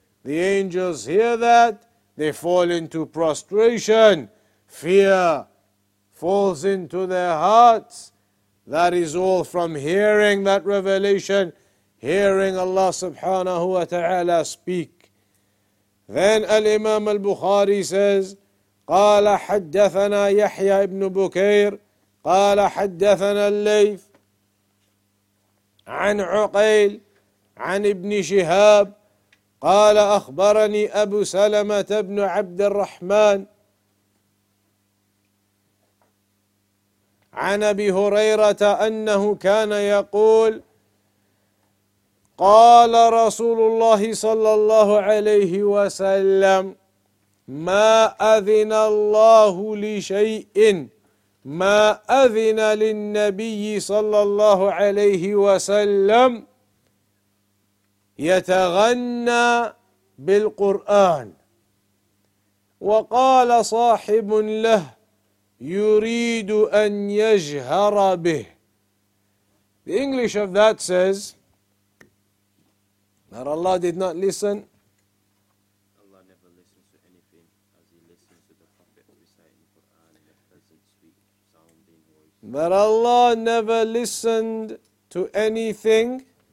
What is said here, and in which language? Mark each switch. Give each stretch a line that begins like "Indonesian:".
English: The angels hear that, they fall into prostration. Fear falls into their hearts. That is all from hearing that revelation, hearing Allah subhanahu wa ta'ala speak. Then Al-Imam Al-Bukhari says,
Arabic: قال حدثنا يحيى ابن بكير قال حدثنا الليث عن عقيل عن ابن شهاب قال أخبرني أبو سلمة ابن عبد الرحمن عن أبي هريرة أنه كان يقول قال رسول الله صلى الله عليه وسلم ما أذن الله لشيء ما أذن للنبي صلى الله عليه وسلم يتغنى بالقرآن وقال صاحب له يريد أن يجهر به.
English: The English of that says that Allah did not listen. Allah never listens to anything as He listens to the Prophet reciting the Quran in a pleasant, sweet, sounding voice. That Allah never listened to anything.